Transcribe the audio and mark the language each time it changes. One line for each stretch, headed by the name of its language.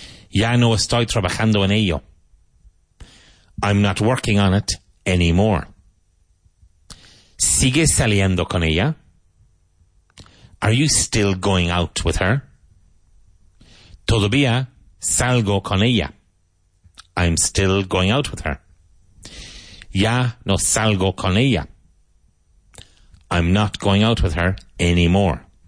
Spanish: Ya no estoy trabajando en ello.
English: I'm not working on it anymore.
Spanish: ¿Sigue saliendo con ella?
English: Are you still going out with her?
Spanish: Todavía salgo con ella.
English: I'm still going out with her.
Spanish: Ya no salgo con ella.
English: I'm not going out with her anymore.